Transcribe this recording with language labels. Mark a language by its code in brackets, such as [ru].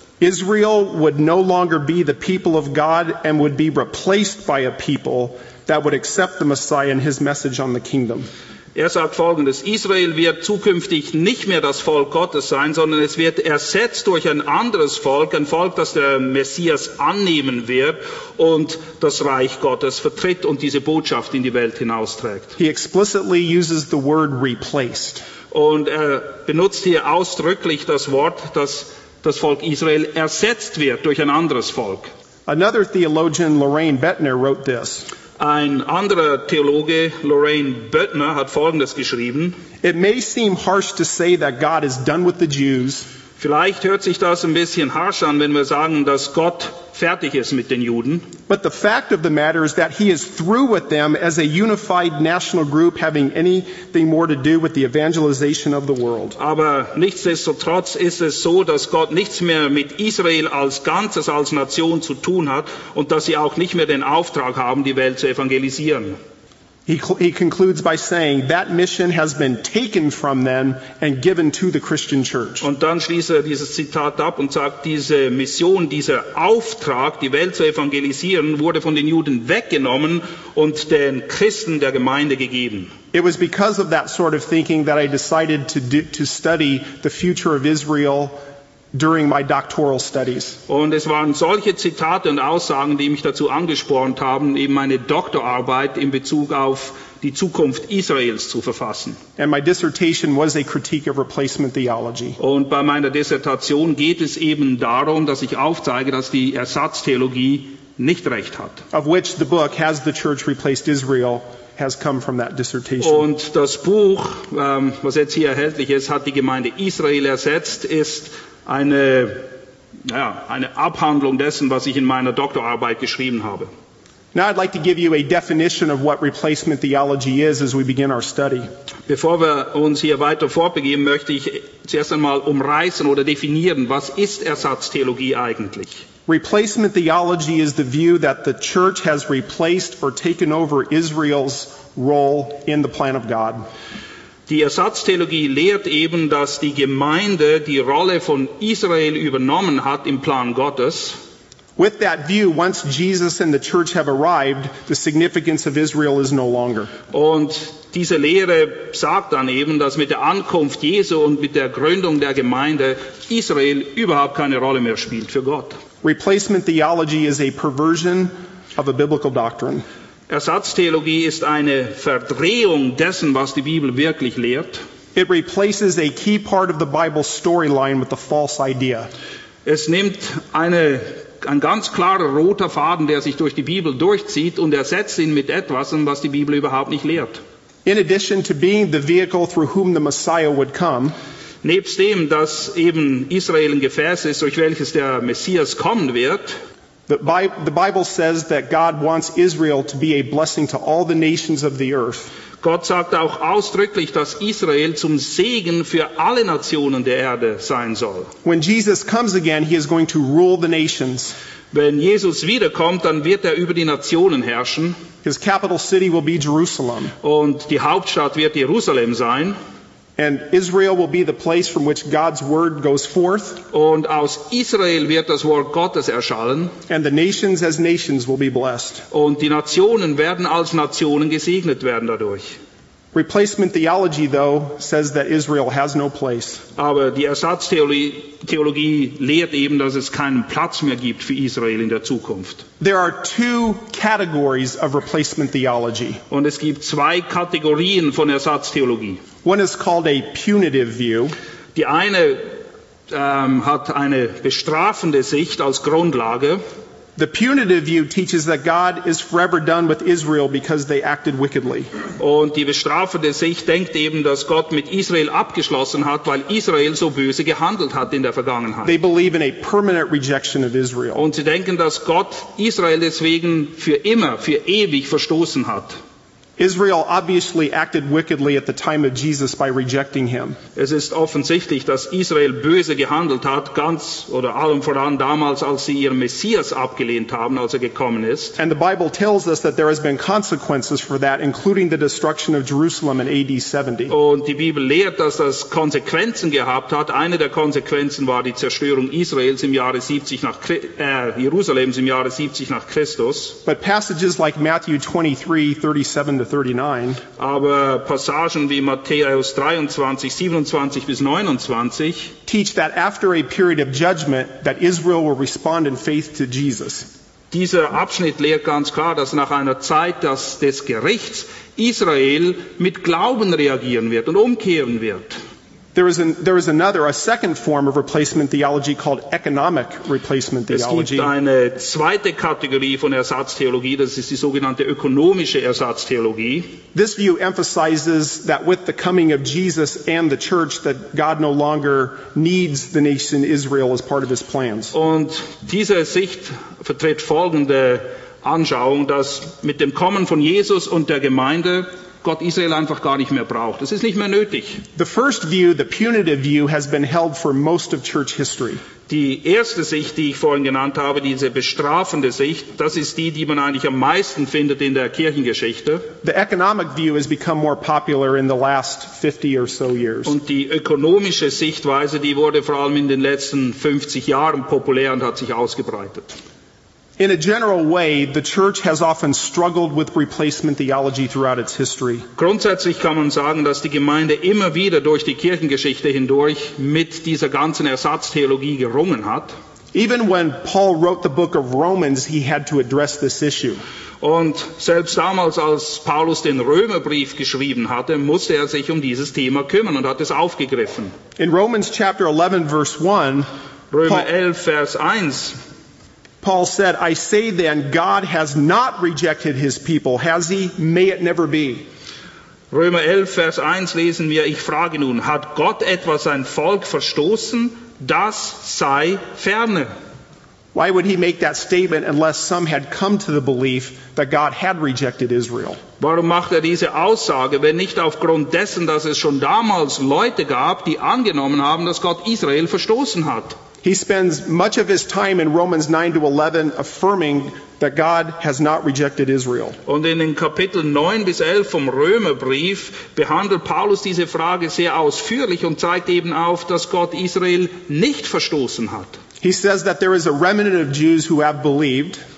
[en] Israel would no longer be the people of God and would be replaced by a people that would accept the Messiah and his message on the kingdom. [de] Er sagt folgendes: Israel wird zukünftig nicht mehr das Volk Gottes sein, sondern es wird ersetzt durch ein anderes Volk, ein Volk, das der Messias annehmen wird und das Reich Gottes vertritt und diese Botschaft in die Welt hinausträgt. [en] He explicitly uses the word replaced. [de] Und er benutzt hier ausdrücklich das Wort, dass das Volk Israel ersetzt wird durch ein anderes Volk. [en] Another theologian, Lorraine Bettner, wrote this. [de] Ein anderer Theologe, Lorraine Bettner, hat Folgendes geschrieben. [en] It may seem harsh to say that God is done with the Jews. [de] Vielleicht hört sich das ein bisschen harsch an, wenn wir sagen, dass Gott fertig ist mit den Juden. [en] But the fact of the matter is that he is through with them as a unified national group having anything more to do with the evangelization of the world. [de] Aber nichtsdestotrotz ist es so, dass Gott nichts mehr mit Israel als Ganzes, als Nation zu tun hat und dass sie auch nicht mehr den Auftrag haben, die Welt zu evangelisieren. [en] He concludes by saying that mission has been taken from them and given to the Christian church. [de] Und dann schließt er dieses Zitat ab und sagt, diese Mission, dieser Auftrag, die Welt zu evangelisieren, wurde von den Juden weggenommen und den Christen der Gemeinde gegeben. [en] It was because of that sort of thinking that I decided to study the future of Israel during my doctoral studies. [de] Und es waren solche Zitate und Aussagen, die mich dazu angespornt haben, eben meine Doktorarbeit in Bezug auf die Zukunft Israels zu verfassen. [en] And my dissertation was a critique of replacement theology. [de] Und bei meiner Dissertation geht es eben darum, dass ich aufzeige, dass die Ersatztheologie nicht recht hat. [en] Of which the book Has the Church Replaced Israel has come from that dissertation. [de] Und das Buch, was jetzt hier erhältlich ist, hat die Gemeinde Israel ersetzt, ist eine Abhandlung dessen, was ich in meiner Doktorarbeit geschrieben habe. [en] Now I'd like to give you a definition of what replacement theology is as we begin our study. [de] Bevor wir uns hier weiter fortbegeben, möchte ich zuerst einmal umreißen oder definieren, was ist Ersatztheologie eigentlich? [en] Replacement theology is the view that the church has replaced or taken over Israel's role in the plan of God. [de] Die Ersatztheologie lehrt eben, dass die Gemeinde die Rolle von Israel übernommen hat im Plan Gottes. [en] With that view, once Jesus and the church have arrived, the significance of Israel is no longer. [de] Und diese Lehre sagt dann eben, dass mit der Ankunft Jesu und mit der Gründung der Gemeinde Israel überhaupt keine Rolle mehr spielt für Gott. [en] Replacement theology is a perversion of a biblical doctrine. [de] Ersatztheologie ist eine Verdrehung dessen, was die Bibel wirklich lehrt. [en] It replaces a key part of the Bible storyline with a false idea. [de] Es nimmt ein ganz klarer roter Faden, der sich durch die Bibel durchzieht, und ersetzt ihn mit etwas, was die Bibel überhaupt nicht lehrt. [en] In addition to being the vehicle through whom the Messiah would come, [de] nebst dem, dass eben Israel ein Gefäß ist, durch welches der Messias kommen wird, [en] the Bible says that God wants Israel to be a blessing to all the nations of the earth. [de] Gott sagt auch ausdrücklich, dass Israel zum Segen für alle Nationen der Erde sein soll. [en] When Jesus comes again, he is going to rule the nations. [de] Wenn Jesus wiederkommt, dann wird über die Nationen herrschen. [en] His capital city will be Jerusalem. [de] Und die Hauptstadt wird Jerusalem sein. [en] And Israel will be the place from which God's word goes forth. [de] Und aus Israel wird das Wort Gottes erschallen. [en] And the nations as nations will be blessed. [de] Und die Nationen werden als Nationen gesegnet werden dadurch. [en] Replacement theology, though, says that Israel has no place. [de] Aber die Ersatztheologie lehrt eben, dass es keinen Platz mehr gibt für Israel in der Zukunft. [en] There are two categories of replacement theology. [de] Und es gibt zwei Kategorien von Ersatztheologie. [en] One is called a punitive view. [de] Die eine hat eine bestrafende Sicht als Grundlage. [en] The punitive view teaches that God is forever done with Israel because they acted wickedly. [de] Und die bestrafende Sicht denkt eben, dass Gott mit Israel abgeschlossen hat, weil Israel so böse gehandelt hat in der Vergangenheit. [en] They believe in a permanent rejection of Israel. [de] Und sie denken, dass Gott Israel deswegen für immer, für ewig verstoßen hat. [en] Israel obviously acted wickedly at the time of Jesus by rejecting him. [de] Es ist offensichtlich, dass Israel böse gehandelt hat, ganz oder allem voran damals, als sie ihren Messias abgelehnt haben, als er gekommen ist. [en] And the Bible tells us that there has been consequences for that, including the destruction of Jerusalem in AD 70. [de] Und die Bibel lehrt, dass das Konsequenzen gehabt hat. Eine der Konsequenzen war die Zerstörung Israels im Jahre 70 nach Jerusalems im Jahre 70 nach Christus. [en] But passages like Matthew 23:37-39, [de] aber Passagen wie Matthäus 23:27-29 [en] teach that after a period of judgment that Israel will respond in faith to Jesus. [de] Dieser Abschnitt lehrt ganz klar, dass nach einer Zeit des Gerichts Israel mit Glauben reagieren wird und umkehren wird. [en] There is another, a second form of replacement theology called economic replacement theology. [de] Es gibt eine zweite Kategorie von Ersatztheologie, das ist die sogenannte ökonomische Ersatztheologie. [en] This view emphasizes that with the coming of Jesus and the church, that God no longer needs the nation Israel as part of his plans. [de] Und diese Sicht vertritt folgende Anschauung, dass mit dem Kommen von Jesus und der Gemeinde Gott Israel einfach gar nicht mehr braucht. Es ist nicht mehr nötig. [en] The first view, the punitive view, has been held for most of church history. [de] Die erste Sicht, die ich vorhin genannt habe, diese bestrafende Sicht, das ist die, die man eigentlich am meisten findet in der Kirchengeschichte. [en] The economic view has become more popular in the last 50 or so years. [de] Und die ökonomische Sichtweise, die wurde vor allem in den letzten 50 Jahren populär und hat sich ausgebreitet. [en] In a general way, the church has often struggled with replacement theology throughout its history. [de] Grundsätzlich kann man sagen, dass die Gemeinde immer wieder durch die Kirchengeschichte hindurch mit dieser ganzen Ersatztheologie gerungen hat. [en] Even when Paul wrote the book of Romans, he had to address this issue. [de] Und selbst damals, als Paulus den Römerbrief geschrieben hatte, musste er sich um dieses Thema kümmern und hat es aufgegriffen. [en] In Romans chapter 11, verse 1, [de] Römer 11, Vers 1, [en] Paul said, I say then, God has not rejected his people, has he? May it never be. [de] Römer 11, Vers 1 lesen wir, ich frage nun, hat Gott etwa sein Volk verstoßen? Das sei ferne. [en] Why would he make that statement unless some had come to the belief that God had rejected Israel? [de] Warum macht er diese Aussage, wenn nicht aufgrund dessen, dass es schon damals Leute gab, die angenommen haben, dass Gott Israel verstoßen hat? [en] He spends much of his time in Romans 9 to 11 affirming that God has not rejected Israel. [de] Und in den Kapiteln 9 bis 11 vom Römerbrief behandelt Paulus diese Frage sehr ausführlich und zeigt eben auf, dass Gott Israel nicht verstoßen hat. [en] He says that there is a remnant of Jews who have believed.